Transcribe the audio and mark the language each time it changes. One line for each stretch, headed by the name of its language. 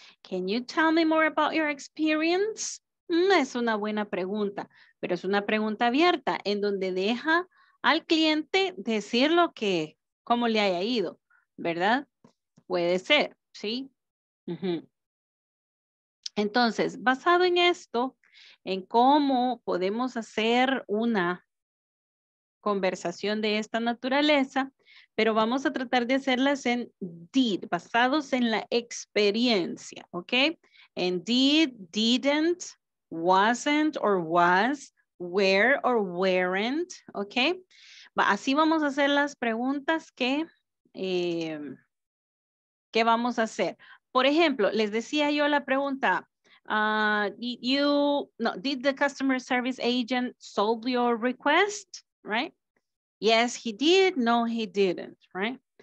English: Can you tell me more about your experience?
Spanish: Es una buena pregunta, pero es una pregunta abierta en donde deja al cliente decir lo que, cómo le haya ido, ¿verdad? Puede ser, ¿sí? Uh-huh. Entonces, basado en esto, en cómo podemos hacer una conversación de esta naturaleza, pero vamos a tratar de hacerlas en did, basados en la experiencia, ¿ok? En did, didn't, wasn't or was, where or weren't, ¿ok? Así vamos a hacer las preguntas que vamos a hacer. Por ejemplo, les decía yo la pregunta,
English: did the customer service agent solve your request, right? Yes, he did. No, he didn't. Right?